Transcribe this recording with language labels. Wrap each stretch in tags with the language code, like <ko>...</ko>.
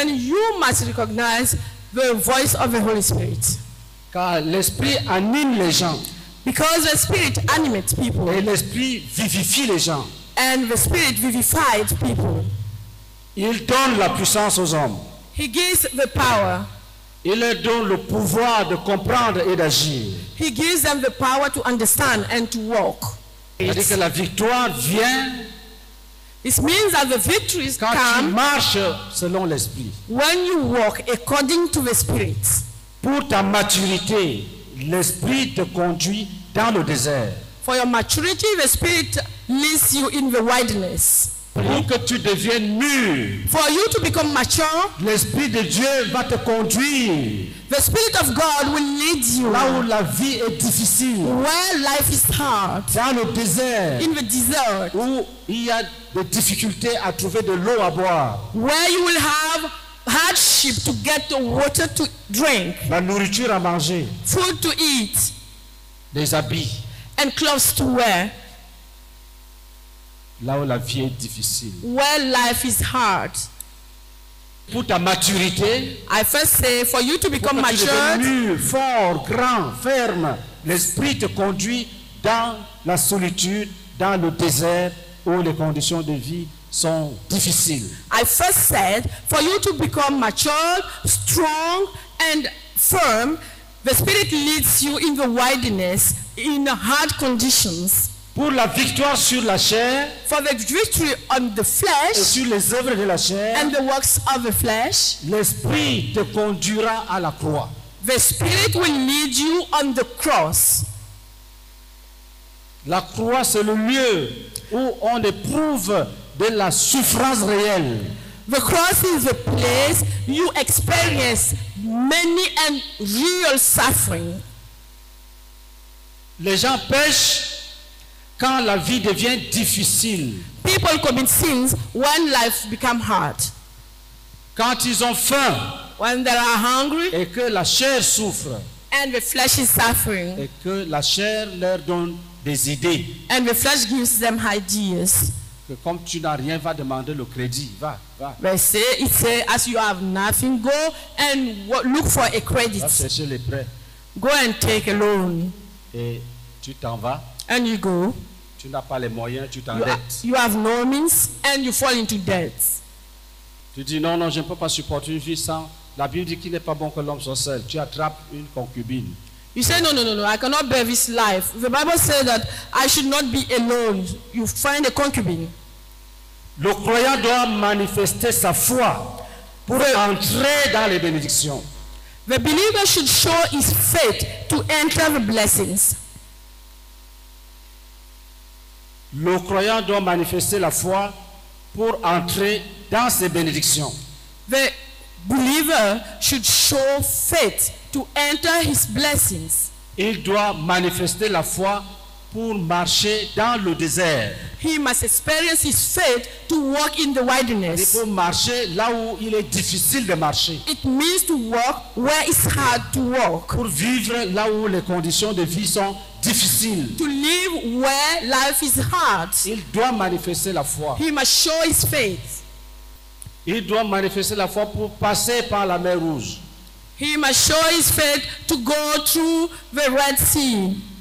<en>And you must recognize the voice of the Holy Spirit.</en> <fr>Car l'Esprit anime les gens.</fr> <en>Because the Spirit animates people.</en> <fr>Et l'Esprit vivifie les gens.</fr> <en>And the Spirit vivifies people.</en> <fr>Il donne la puissance aux hommes.</fr> <en>He gives the power.</en> <fr>Il leur donne le pouvoir de comprendre et d'agir.</fr> <en>He gives them the power to understand and to walk.</en> <fr>C'est-à-dire que la victoire vient.</fr> <en>It means that the victory is</en> <fr>quand</fr> <en>come.</en> <fr>Quand tu marches selon l'Esprit.</fr> <en>When you walk according to the Spirit.</en> <fr>Pour ta maturité. L'Esprit te conduit dans le désert.</fr> <en>For your maturity, the Spirit leads you in the wilderness.</en> <fr>pour que tu deviennes mûr.</fr> <en>For you to become mature,</en> <fr>l'Esprit de Dieu va te conduire.</fr> <en>The Spirit of God will lead you.</en> <fr>Là où la vie est difficile.</fr> <en>Where life is hard.</en> <fr>Dans le désert.</fr> <en>In the desert.</en> <fr>Où il y a des difficultés à trouver de l'eau à boire.</fr> <en>Where you will have hardship to get the water to drink.</en> <fr>La nourriture à manger.</fr> <en>Food to eat.</en> <fr>Des habits.</fr> <en>And clothes to wear.</en> <fr>Là où la vie est difficile.</fr> <en>Where life is hard.</en> <fr>Pour ta maturité.</fr> <en>I first say for you to become mature.</en> <fr>Tu deviens fort, grand, ferme. L'Esprit te conduit dans la solitude, dans le désert où les conditions de vie sont difficiles.</fr> <en>I first said for you to become mature, strong and firm, the Spirit leads you in the wilderness, in hard conditions.</en> <fr>Pour la victoire sur la chair,</fr> <en>for the victory on the flesh,</en> <fr>et sur les œuvres de la chair,</fr> <en>and the works of the flesh,</en> <fr>l'Esprit te conduira à la croix.</fr> <en>The Spirit will lead you on the cross.</en> <fr>La croix, c'est le lieu où on éprouve de la souffrance réelle.</fr> <en>The cross is the place you experience many and real suffering.</en> <fr>Les gens pêchent quand la vie devient difficile.</fr> <en>People commit sins when life becomes hard.</en> <fr>Quand ils ont faim.</fr> <en>When they are hungry.</en> <fr>Et que la chair souffre.</fr> <en>And the flesh is suffering.</en> <fr>Et que la chair leur donne des idées.</fr> <en>And the flesh gives them ideas.</en> <fr>Que comme tu n'as rien, va demander le crédit. Va, va.</fr> <en>They say, it says, as you have nothing, go and look for a credit.</en> <fr>Va chercher les prêts.</fr> <en>Go and take a loan.</en> <fr>Et tu t'en vas.</fr> <en>And you go.</en> <fr>Tu n'as pas les moyens, tu t'endettes.</fr> <en>You have no means and you fall into debt.</en> <fr>Tu dis non, non, je ne peux pas supporter une vie sans. La Bible dit qu'il n'est pas bon que l'homme soit seul. Tu attrapes une concubine.</fr> <en>You say no, no, no, no. I cannot bear this life. The Bible says that I should not be alone. You find a concubine.</en> <fr>Le croyant doit manifester sa foi pour entrer dans les bénédictions.</fr> <en>The believer should show his faith to enter the blessings.</en> <fr>Le croyant doit manifester la foi pour entrer dans ses bénédictions.</fr> <en>The believer should show faith to enter his blessings.</en> <fr>Il doit manifester la foi pour marcher dans le désert.</fr> <en>He must experience his faith to walk in the wilderness.</en> <fr>Il faut marcher là où il est difficile de marcher.</fr> <en>It means to walk where it's hard to walk.</en> <fr>Pour vivre là où les conditions de vie sont difficiles.</fr> <en>To live where life is hard.</en> <fr>Il doit manifester la foi.</fr> <en>He must show his faith.</en> <fr>Il doit manifester la foi pour passer par la mer Rouge.</fr> <en>He must show his faith to go through the Red Sea.</en>